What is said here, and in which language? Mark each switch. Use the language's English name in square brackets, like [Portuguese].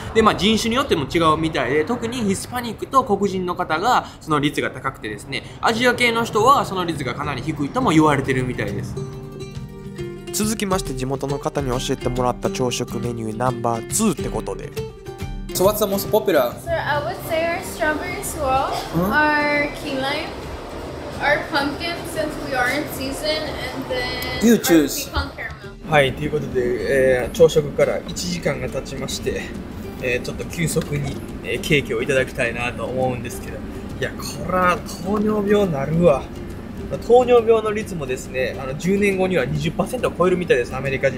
[Japanese] で、まあ、人種によっても違うみたいで、特にヒスパニックと黒人の方がその率が高くてですね、アジア系の人はその率がかなり低いとも言われているみたいです。続きまして、地元の方に教えてもらった朝食メニューナンバー2ってことで、 [English] So what's the most popular? Sir, I would say our strawberry swirl, our key lime, our pumpkin since we are in season, and then you choose. our pecan caramel. [Japanese] はい、ということで、朝食から1時間が経ちまして、ちょっと急速に、ケーキをいただきたいなと思うんですけど、いや、これは糖尿病なるわ。糖尿病の率もですね、10年後には 20% を超えるみたいです、アメリカ人。